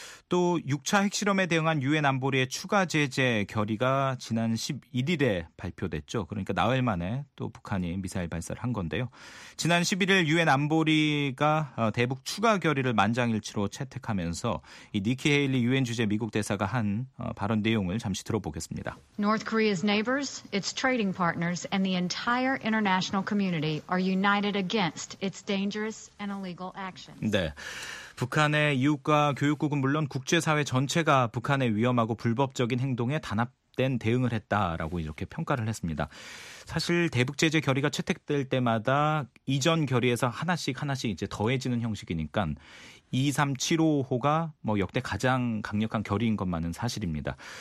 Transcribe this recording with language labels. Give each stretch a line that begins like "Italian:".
Korean: 또 6차 핵실험에 대응한 유엔 안보리의 추가 제재 결의가 지난 11일에 발표됐죠. 그러니까 나흘 만에 또 북한이 미사일 발사를 한 건데요. 지난 11일 유엔 안보리가 대북 추가 결의를 만장일치로 채택하면서 이 니키 헤일리 유엔 주재 미국 대사가 한 발언 내용을 잠시 들어보겠습니다.
English: North Korea's neighbors, its trading partners and the entire international community are united against its dangerous and illegal actions.
Korean: 네. 북한의 이웃과 교육국은 물론 국제사회 전체가 북한의 위험하고 불법적인 행동에 단합된 대응을 했다라고 이렇게 평가를 했습니다. 사실 대북제재 결의가 채택될 때마다 이전 결의에서 하나씩 이제 더해지는 형식이니까 2375호가 뭐 역대 가장 강력한 결의인 것만은 사실입니다.